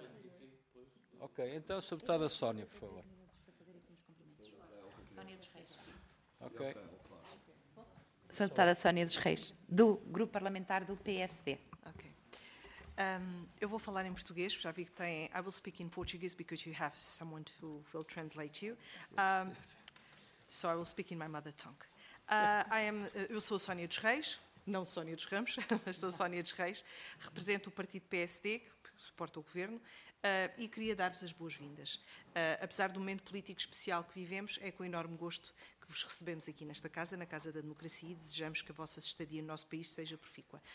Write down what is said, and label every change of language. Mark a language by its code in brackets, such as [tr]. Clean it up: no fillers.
[pt] aí. Ok, então o Sr. Deputado Sónia, por favor. Sónia dos Reis. Ok. Sr. Deputado Sónia dos Reis, do Grupo Parlamentar do PSD. Ok. Eu vou falar em português, porque já vi que tem. [en] I will speak in Portuguese because you have someone who will translate you. So I will speak in my mother tongue. [pt] Eu sou a Sónia dos Reis, não Sónia dos Ramos, mas sou a Sónia dos Reis, represento o partido PSD, que suporta o governo, e queria dar-vos as boas-vindas. Apesar do momento político especial que vivemos, é com enorme gosto que vos recebemos aqui nesta casa, na Casa da Democracia, e desejamos que a vossa estadia no nosso país seja profícua.